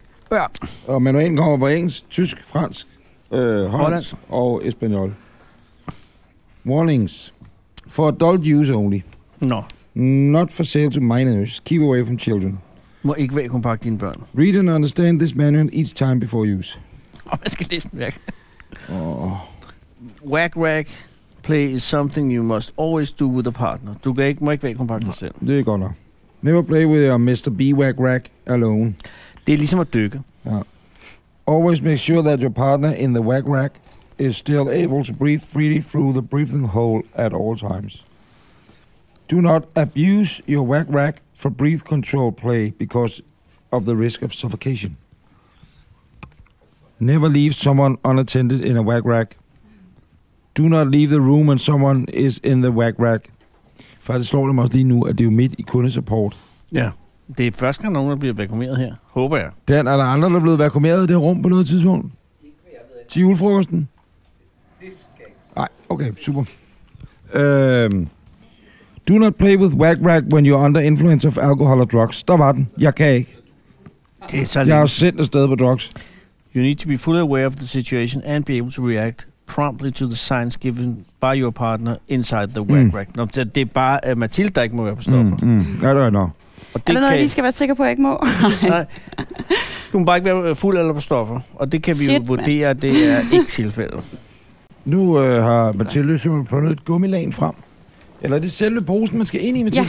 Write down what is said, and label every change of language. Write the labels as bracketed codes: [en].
[da] Ja. Og manualen kommer på engelsk, tysk, fransk, hollandsk og espanol. Warnings. [en] For adult use only. No. Not for sale to minors. Keep away from children. [da] Må ikke vakuumpakke dine børn. [en] Read and understand this manual each time before use. [da] Åh, jeg skal læse den væk. Oh. [en] Whack-rack play is something you must always do with a partner. [da] Du kan ikke, må ikke vakuumpakke dig selv. Det er godt nok. [en] Never play with your Mr. B whack-rack alone. [da] Det er ligesom at dykke. Ja. [en] Always make sure that your partner in the whack-rack is still able to breathe freely through the breathing hole at all times. Do not abuse your whack-rack for breath control play because of the risk of suffocation. Never leave someone unattended in a whack-rack. Do not leave the room when someone is in the whack-rack. [da] For det slår dem også lige nu, at det er jo midt i kundesupport. Ja, det er første gang, nogen der bliver vakuumeret her. Håber jeg. Dan, er der andre, der er blevet vakuumeret i det rum på noget tidspunkt? Til julefrokosten? Nej, okay, super. [en] Do not play with whack-rack when you're under influence of alcohol or drugs. [da] Der var den. Jeg kan ikke. Det er så jeg er sendt afsted på drugs. [en] You need to be fully aware of the situation and be able to react promptly to the signs given by your partner inside the whack-rack. [da] Nå, det er bare Mathilde, der ikke må være på stoffer. Ja, det er nok. Er det noget, I skal være sikker på, at jeg ikke må? Nej. Du må bare ikke være fuld eller på stoffer. Og det kan vi jo vurdere, at det er ikke tilfældet. Nu har Mathilde simpelthen prøvet et gummilagen frem. Eller er det selve posen, man skal ind i, Mathilde?